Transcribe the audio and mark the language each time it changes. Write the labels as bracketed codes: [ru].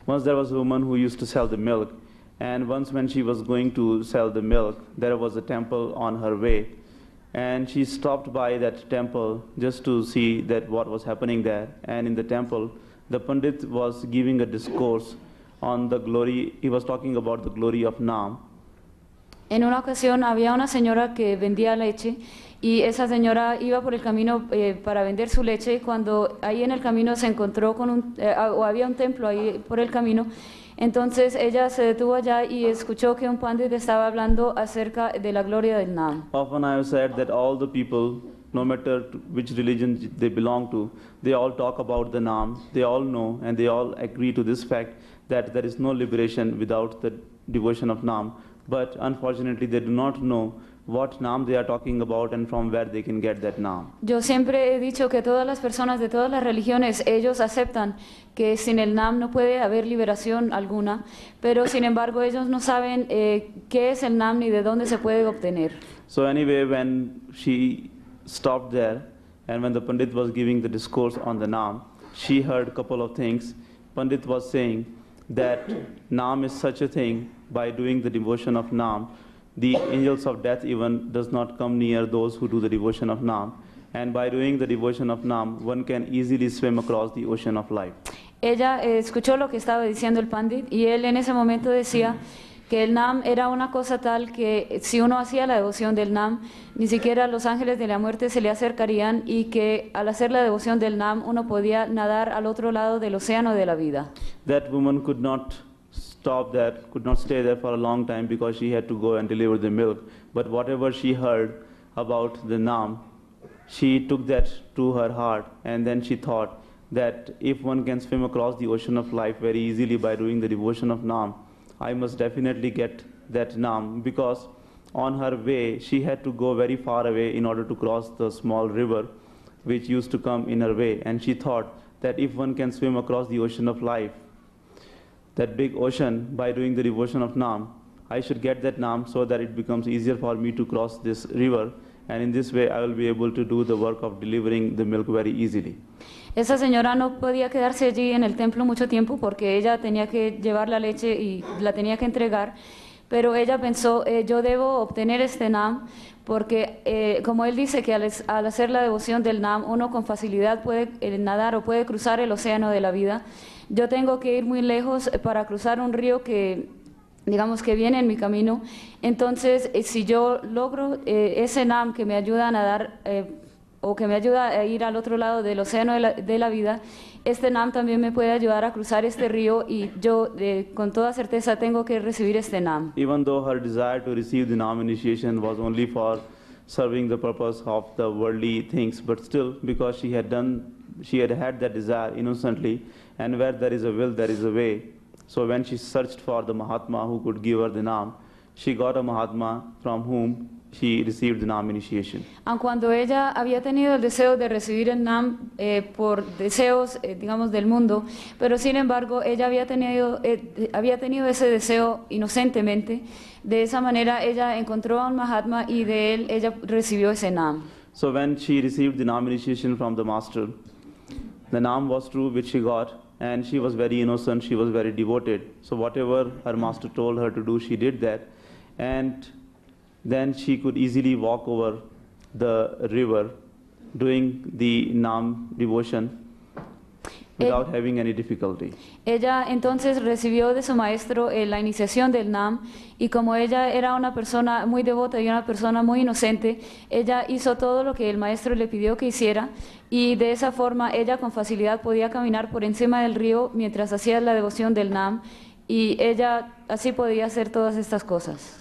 [en] Once there was a woman who used to sell the milk. And once when she was going to sell the milk, there was a temple on her way. And she stopped by that temple just to see that what was happening there. And in the temple, the Pandit was giving a discourse on the glory. He was talking about the glory of Naam. [es] En una ocasión había una señora que vendía leche y esa señora iba por el camino para vender su leche, y cuando ahí en el camino se encontró con un o había un templo ahí por el camino, entonces ella se detuvo allá y escuchó que un pandit estaba hablando acerca de la gloria del Naam. [en] Often I have said that all the people, no matter which religion they belong to, they all talk about the Naam. They all know and they all agree to this fact that there is no liberation without the devotion of Naam. But unfortunately they do not know what Naam they are talking about and from where they can get that Naam. [es] Yo siempre he dicho que todas las personas de todas las religiones, ellos aceptan que sin el Naam no puede haber liberación alguna, pero sin embargo ellos no saben qué es el Naam ni de dónde se puede obtener. [en] So anyway, when she stopped there and when the Pandit was giving the discourse on the Naam, she heard a couple of things. Pandit was saying that Naam is such a thing, by doing the devotion of Naam, the angels of death even does not come near those who do the devotion of Naam. And by doing the devotion of Naam, one can easily swim across the ocean of life. [es] Ella escuchó lo que estaba diciendo el Pandit, y él en ese momento decía que el Naam era una cosa tal que si uno hacía la devoción del Naam, ni siquiera los ángeles de la muerte se le acercarían, y que al hacer la devoción del Naam, uno podía nadar al otro lado del océano de la vida. [en] That woman could not stop there, could not stay there for a long time because she had to go and deliver the milk. But whatever she heard about the Naam, she took that to her heart, and then she thought that if one can swim across the ocean of life very easily by doing the devotion of Naam, I must definitely get that Naam. Because on her way, she had to go very far away in order to cross the small river which used to come in her way. And she thought that if one can swim across the ocean of life, that big ocean, by doing the devotion of Naam, I should get that Naam so that it becomes easier for me to cross this river, and in this way I will be able to do the work of delivering the milk very easily. [es] Esa señora no podía quedarse allí en el templo mucho tiempo porque ella tenía que llevar la leche y la tenía que entregar, Pero ella pensó, yo debo obtener este nam, porque como él dice que al hacer la devoción del nam, uno con facilidad puede nadar o puede cruzar el océano de la vida. Yo tengo que ir muy lejos para cruzar un río que, digamos, que viene en mi camino. Entonces, si yo logro ese nam que me ayuda a nadar, o que me ayuda a ir al otro lado del océano de la vida, este nam también me puede ayudar a cruzar este río, y yo con toda certeza tengo que recibir este nam. [en] Even though her desire to receive the nam initiation was only for serving the purpose of the worldly things, but still, because she had had that desire innocently, and where there is a will, there is a way. So when she searched for the Mahatma who could give her the nam, she got a Mahatma from whom she received the nam initiation. [es] Aun cuando ella había tenido el deseo de recibir el nam por deseos, digamos, del mundo, pero sin embargo ella había tenido ese deseo inocentemente. De esa manera ella encontró a un Mahatma y de él ella recibió ese nam. [en] So when she received the nam initiation from the master, the nam was true which she got, and she was very innocent, she was very devoted. So whatever her master told her to do, she did that, and then she could easily walk over the river doing the nam devotion without having any difficulty. [es] Ella entonces recibió de su maestro la iniciación del nam, y como ella era una persona muy devota y una persona muy inocente, ella hizo todo lo que el maestro le pidió que hiciera, y de esa forma ella con facilidad podía caminar por encima del río mientras hacía la devoción del nam, y ella así podía hacer todas estas cosas.